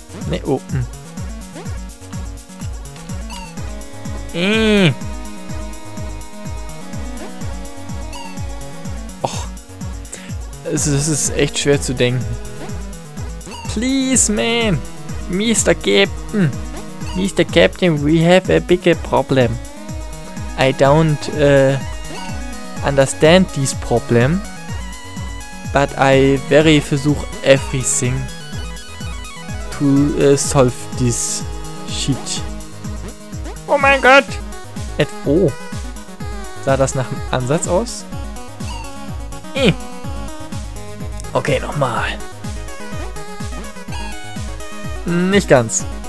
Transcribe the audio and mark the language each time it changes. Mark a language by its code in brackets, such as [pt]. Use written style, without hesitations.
[de] Nee, oh. Och. Es ist echt schwer zu denken. [en] Please, man. Mr. Captain. Mr. Captain, we have a big problem. I don't understand this problem. But I very [de] versuch [en] everything to solve this shit. [de] Oh mein Gott! Sah das nach einem Ansatz aus? Okay, nochmal. Nicht ganz.